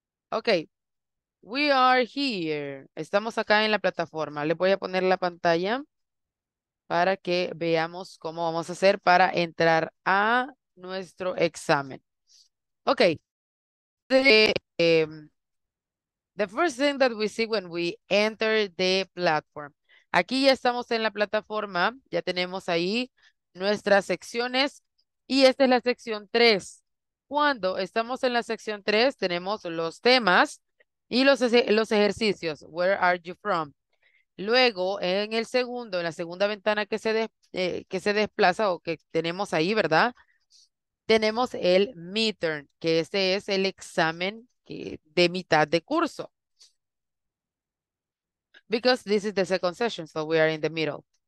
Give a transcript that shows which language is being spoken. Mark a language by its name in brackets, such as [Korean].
[English] Ok. We are here. [Spanish] Estamos acá en la plataforma. Le voy a poner la pantalla para que veamos cómo vamos a hacer para entrar a nuestro examen. [English] Ok. The first thing that we see when we enter the platform. [Spanish] Aquí ya estamos en la plataforma. Ya tenemos ahí nuestras secciones. Y esta es la sección 3. Cuando estamos en la sección 3, tenemos los temas. Y los ejercicios, [English] where are you from? [Spanish] Luego, en el segundo, en la segunda ventana que se desplaza o que tenemos ahí, ¿verdad? Tenemos el midterm, que ese es el examen de mitad de curso. [English] Because this is the second session, so we are in the middle.